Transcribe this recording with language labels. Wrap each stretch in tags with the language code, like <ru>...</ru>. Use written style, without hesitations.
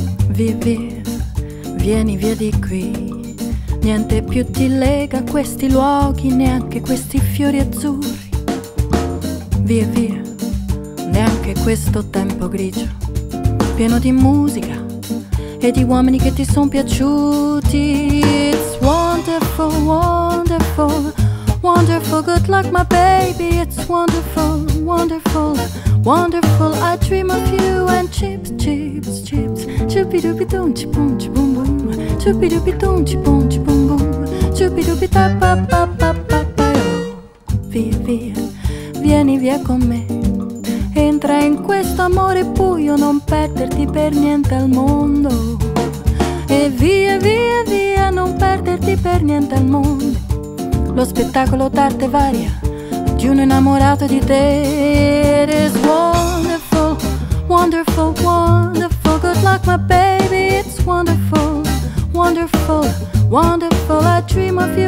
<it>Vivi, vieni via di qui, niente più ti lega a questi luoghi, neanche questi fiori azzurri. Vivi, neanche questo tempo grigio, pieno di musica e di uomini che ti son piaciuti.</it> <en>It's wonderful, wonderful, wonderful, good luck my baby. It's wonderful, wonderful, wonderful, I dream of you. And chips, chips, chips, chupidupidum, chipum, chipum, boom, chupidupidum, chipum, chipum, boom, chupidupidapapapapapayo.</en> <it>Via, via, vieni via con me, entra in questo amore buio, non perderti per niente al mondo. E via, via, via, non perderti per niente al mondo, lo spettacolo d'arte varia di uno innamorato di te.</it> <en>It is wonderful, wonderful, wonderful, good luck my baby. It's wonderful, wonderful, wonderful, I dream of you.</en>